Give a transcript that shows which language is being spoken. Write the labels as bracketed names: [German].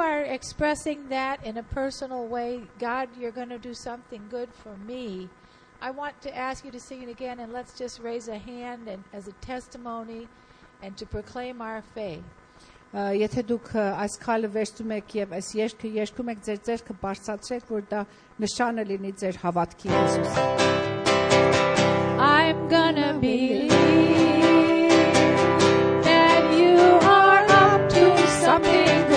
[English] expressing that in a personal way, God, you're going to do something good for me. I want to ask you to sing it again and let's just raise a hand and as a testimony and to proclaim our faith. [Armenian] Եթե դուք այս քայլը վերցում եք եւ այս երգը երգում եք, ձեր ձեռքը բարձրացրեք, որ դա նշանը լինի ձեր հավատքի Հիսուս. [English] I'm gonna believe that you are up to something.